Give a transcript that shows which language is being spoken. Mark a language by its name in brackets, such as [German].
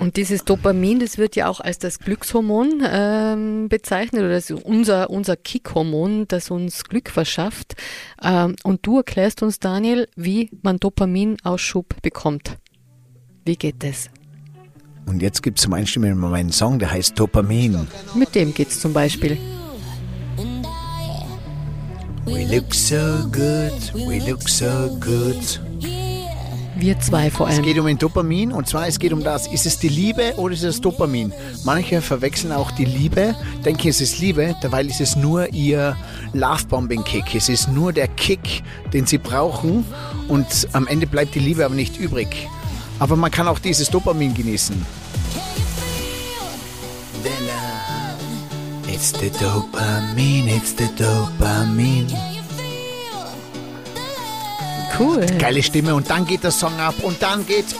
[German] Und dieses Dopamin, das wird ja auch als das Glückshormon bezeichnet, oder das ist unser Kickhormon, das uns Glück verschafft. Und du erklärst uns, Daniel, wie man Dopaminausschub bekommt. Wie geht das? Und jetzt gibt es zum Einstimmen meinen Song, der heißt Dopamin. Mit dem geht's zum Beispiel. [English] We look so good, we look so good. [German] Wir zwei vor allem. Es geht um ein Dopamin, und zwar es geht um das, ist es die Liebe oder ist es Dopamin? Manche verwechseln auch die Liebe, denken es ist Liebe, dabei ist es nur ihr Lovebombing-Kick. Es ist nur der Kick, den sie brauchen, und am Ende bleibt die Liebe aber nicht übrig. Aber man kann auch dieses Dopamin genießen. [English] It's the dopamine, it's the dopamine. [German] Cool. Geile Stimme, und dann geht der Song ab, und dann geht's und